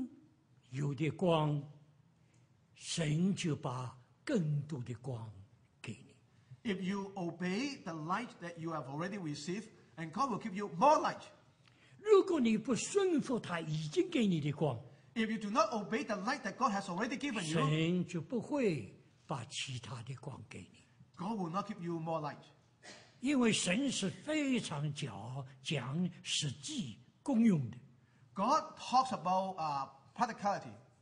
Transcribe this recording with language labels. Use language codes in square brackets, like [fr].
[zh] 因为你顺服已经有的光, 神就把更多的光给你。 [en] If you obey the light that you have already received, and God will give you more light. [zh] 如果你不顺服他已经给你的光, [en] if you do not obey the light that God has already given you, [zh] 神就不会把其他的光给你。 [en] God will not give you more light. [zh] 因为神是非常讲实际功用的。 [en] God talks about practicality.